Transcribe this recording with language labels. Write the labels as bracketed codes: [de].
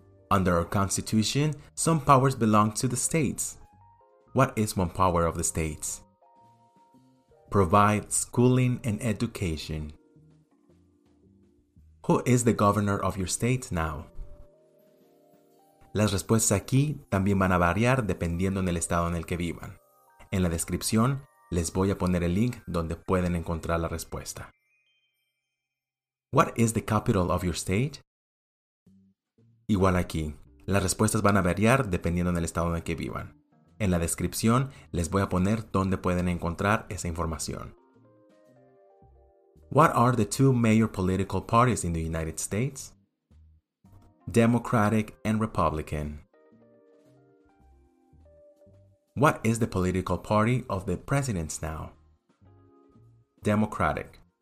[en] Under our Constitution, some powers belong to the states. What is one power of the states? Provide schooling and education. Who is the governor of your state now? [es] Las respuestas aquí también van a variar dependiendo en el estado en el que vivan. En la descripción les voy a poner el link donde pueden encontrar la respuesta. [en] What is the capital of your state? [es] Igual aquí, las respuestas van a variar dependiendo del estado en el que vivan. En la descripción les voy a poner dónde pueden encontrar esa información. [en] What are the two major political parties in the United States? Democratic and Republican. What is the political party of the presidents now? Democratic.